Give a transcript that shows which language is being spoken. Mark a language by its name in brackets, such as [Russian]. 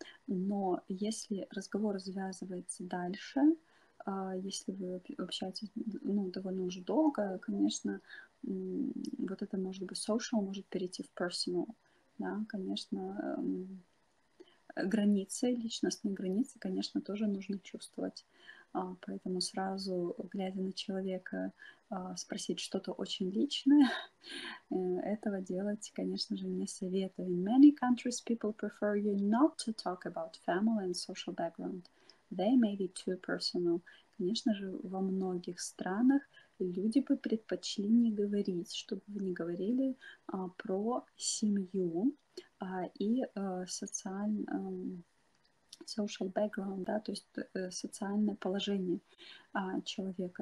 [Russian] Но если разговор завязывается дальше, если вы общаетесь, ну, довольно уже долго, конечно, вот это может быть social, может перейти в personal, да, конечно, границы, личностные границы, конечно, тоже нужно чувствовать. Поэтому сразу, глядя на человека, спросить что-то очень личное, этого делать, конечно же, не советую. [English] In many countries, people prefer you not to talk about family and social background. They may be too personal. [Russian] Конечно же, во многих странах люди бы предпочли не говорить, чтобы вы не говорили про семью и social background, да, то есть социальное положение человека.